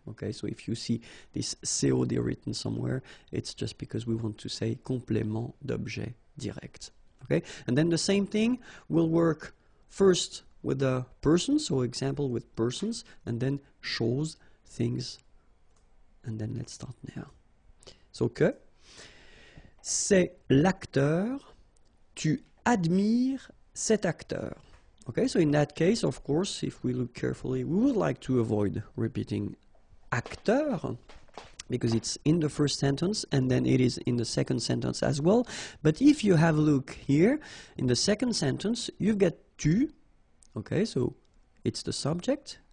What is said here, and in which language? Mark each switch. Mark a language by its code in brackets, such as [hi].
[en] Okay, so if you see this COD written somewhere, it's just because we want to say [fr] complément d'objet direct. [en] Okay, and then the same thing will work first with the person, so example with persons, and then chose, things, and then let's start now. So [fr] que, c'est l'acteur, tu admires cet acteur. [en] Okay, so in that case, of course, if we look carefully, we would like to avoid repeating acteur, because it's in the first sentence, and then it is in the second sentence as well. But if you have a look here, in the second sentence, you get tu, okay, so it's the subject.